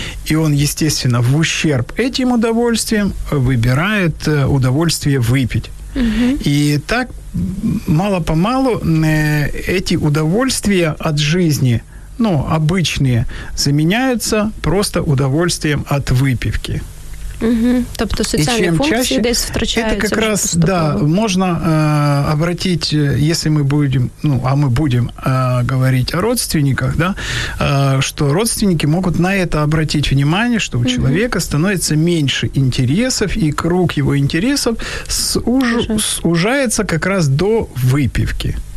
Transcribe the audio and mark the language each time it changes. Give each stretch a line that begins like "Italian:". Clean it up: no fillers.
Russian: И он, естественно, в ущерб этим удовольствиям выбирает удовольствие выпить. И так мало-помалу эти удовольствия от жизни, обычные, заменяются просто удовольствием от выпивки.
Ukrainian: Тобто соціальні функції чаще, десь втрачаються. Це якраз, можна
Russian: обратить, если мы будем, говорить о родственниках, что родственники могут на это обратить внимание, что у человека становится меньше интересов, и круг его интересов сужается как раз до выпивки.